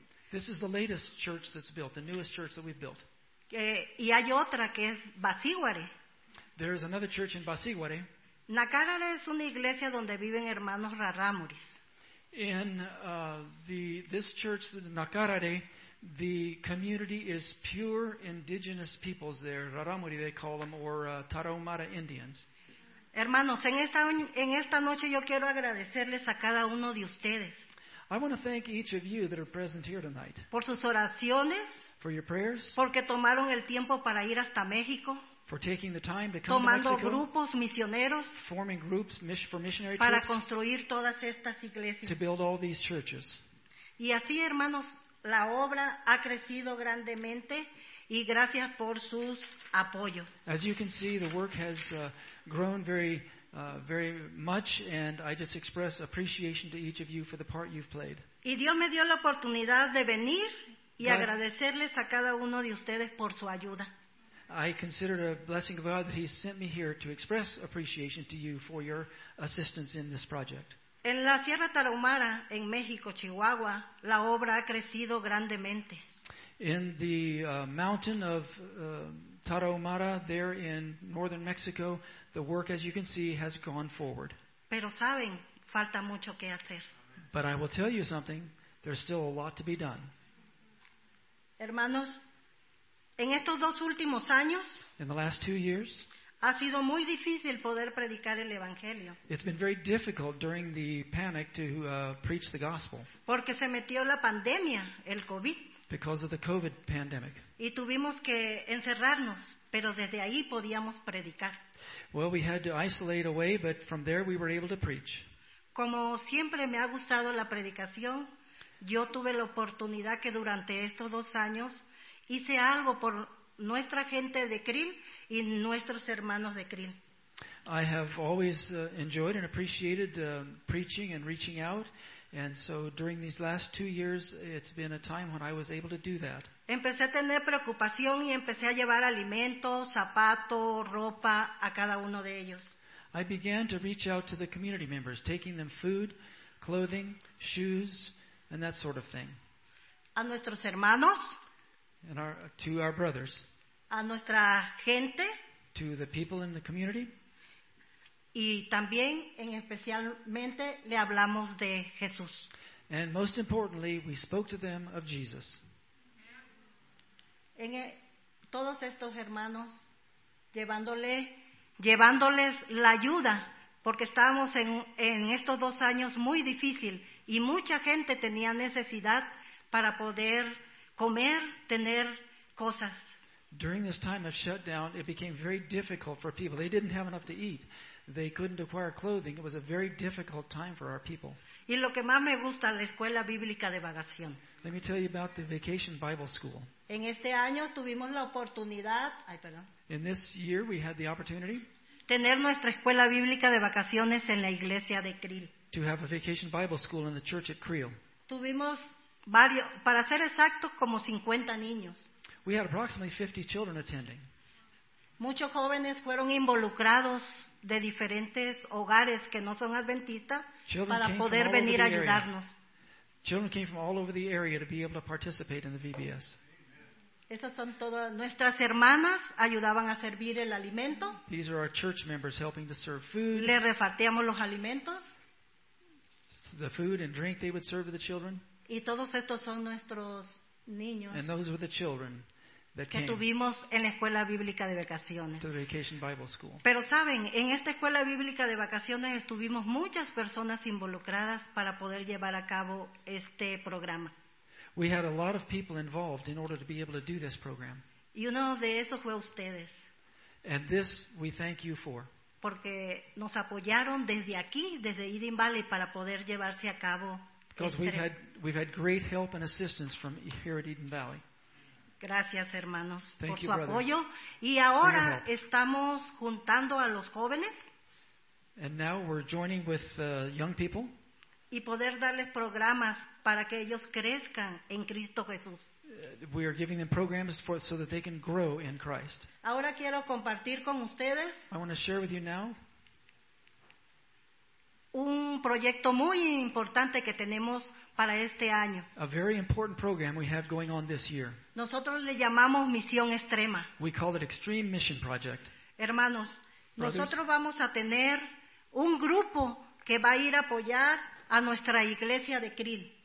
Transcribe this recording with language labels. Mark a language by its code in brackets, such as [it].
[en] This is the latest church that's built, the newest church that we've built. [es] Y hay otra que es Basíguare. [en] There is another church in Basíguare. [es] Nacarare es una iglesia donde viven hermanos Rarámuris. [en] In this church, the Nacarare, the community is pure indigenous peoples there. Rarámuri, they call them, or Tarahumara Indians. [es] Hermanos, en esta noche yo quiero agradecerles a cada uno de ustedes. [en] I want to thank each of you that are present here tonight. [es] Por sus oraciones. [en] For your prayers. [es] Porque tomaron el tiempo para ir hasta México. [en] For taking the time to come to Mexico. [es] Tomando grupos misioneros. [en] Forming groups for missionary trips. [es] Para construir todas estas iglesias. [en] To build all these churches. [es] Y así, hermanos, la obra ha crecido grandemente y gracias por sus apoyo. [en] As you can see, the work has grown very, very much, and I just express appreciation to each of you for the part you've played. [es] Y Dios me dio la oportunidad de venir y agradecerles a cada uno de ustedes por su ayuda. [en] I consider it a blessing of God that He sent me here to express appreciation to you for your assistance in this project. [es] En la Sierra Tarahumara, en México, Chihuahua, la obra ha crecido grandemente. [en] In the mountain of Tarahumara, there in northern Mexico, the work, as you can see, has gone forward. [es] Pero saben, falta mucho que hacer. [en] But I will tell you something, there's still a lot to be done. [es] Hermanos, en estos dos últimos años, [en] in the last 2 years, [es] ha sido muy difícil poder predicar el evangelio. [en] It's been very difficult during the panic to preach the gospel. [es] Porque se metió la pandemia, el COVID. [en] Because of the COVID pandemic. [es] Y tuvimos que encerrarnos, pero desde ahí podíamos predicar. [en] Well, we had to isolate away, but from there we were able to preach. [es] Como siempre me ha gustado la predicación, yo tuve la oportunidad que durante estos dos años hice algo por nuestra gente de Krill y nuestros hermanos de Krill. [en] I have always enjoyed and appreciated preaching and reaching out, and so during these last 2 years it's been a time when I was able to do that. [es] Empecé a tener preocupación y empecé a llevar alimentos, zapatos, ropa a cada uno de ellos. [en] I began to reach out to the community members, taking them food, clothing, shoes, and that sort of thing. [es] A nuestros hermanos, [en] and to our brothers, [es] a nuestra gente, [en] to the people in the community, [es] y también en especialmente le hablamos de Jesús. [en] And most importantly, we spoke to them of Jesus. [es] En todos estos hermanos llevándoles la ayuda, porque estábamos en estos dos años muy difícil y mucha gente tenía necesidad para poder comer, tener cosas. [en] During this time of shutdown, it became very difficult for people. They didn't have enough to eat. They couldn't acquire clothing. It was a very difficult time for our people. [es] Y lo que más me gusta, la escuela bíblica de vacación. [en] Let me tell you about the Vacation Bible School. [es] En este año tuvimos la oportunidad, [en] in this year we had the opportunity, [es] tener nuestra escuela bíblica de vacaciones en la iglesia de Krill. [en] To have a Vacation Bible School in the church at Krill. [es] Tuvimos varios, para ser exacto, como 50 niños. [en] We had approximately 50 children attending. [es] Muchos jóvenes fueron involucrados de diferentes hogares que no son adventistas para poder venir a ayudarnos. [en] Children came from all over the area to be able to participate in the VBS. [es] Esas son todas nuestras hermanas, ayudaban a servir el alimento. [en] These are our church members helping to serve food. [es] Le repartíamos los alimentos. [en] The food and drink they would serve to the children. [es] Y todos estos son nuestros niños. [en] And those were the children that [es] que [en] came [es] tuvimos en la escuela bíblica de vacaciones. [en] To the Vacation Bible School. [es] Pero saben, en esta escuela bíblica de vacaciones estuvimos muchas personas involucradas para poder llevar a cabo este programa. [en] We had a lot of people involved in order to be able to do this program. [es] Y uno de esos fue ustedes. [en] And this we thank you for. [es] Porque nos apoyaron desde aquí, desde Eden Valley, para poder llevarse a cabo. [en] Because we've had great help and assistance from here at Eden Valley. [es] Gracias, hermanos, [en] thank [es] por su [en] you, brother, [es] apoyo. Y ahora estamos juntando a los jóvenes. [en] And now we're joining with young people. [es] Y poder darles programas para que ellos crezcan en Cristo Jesús. [en] We are giving them programs so that they can grow in Christ. [es] Ahora quiero compartir con ustedes. [en] I want to share with you now. [es] Un proyecto muy importante que tenemos para este año. [en] A very important program we have going on this year. [es] Nosotros le llamamos Misión Extrema. [en] We call it Extreme Mission Project. [es] Hermanos, brothers, nosotros vamos a tener un grupo que va a ir a apoyar a nuestra iglesia de Krill.